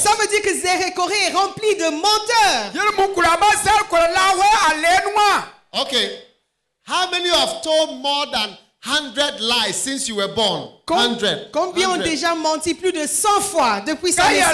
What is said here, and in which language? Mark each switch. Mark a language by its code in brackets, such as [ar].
[fr] Ça veut dire que Nzerekore est rempli de menteurs. [en] Okay. How many have told more than 100 lies since you were born? 100. [fr] Combien ont déjà menti plus de 100 fois depuis sa naissance?